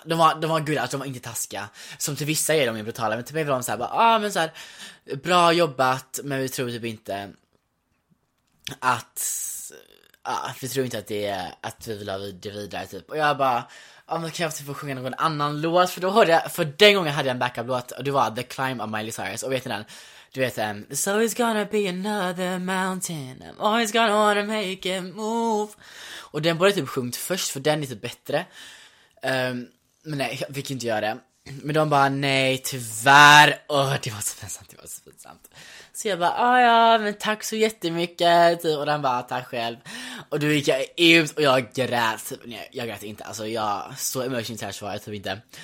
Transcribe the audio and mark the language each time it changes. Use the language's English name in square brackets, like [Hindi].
[Swedish] De var gulliga, alltså de var inte taskiga. Som till vissa är de ju brutala, men till mig var de så här bara, ja men så här, bra jobbat, men vi tror typ inte att vi tror inte att det är att vi vill ha det vidare typ. Och jag bara, ja men kan jag typ få sjunga någon annan låt? För då hörde jag, för den gången hade jag en backup låt och det var The Climb av Miley Cyrus. Och vet ni den? Du vet den, [English] it's always gonna be another mountain, I'm always gonna wanna make a move. [Swedish] Och den borde typ sjungt först, för den är typ bättre. Men nej, jag fick inte göra det. Men de bara, nej tyvärr. Åh, det var så pinsamt. Så jag bara, ja men tack så jättemycket. Och den bara, tack själv. Och då gick jag ut och jag grät. Nej, jag grät inte, alltså jag så emotionellt här svaret, typ inte.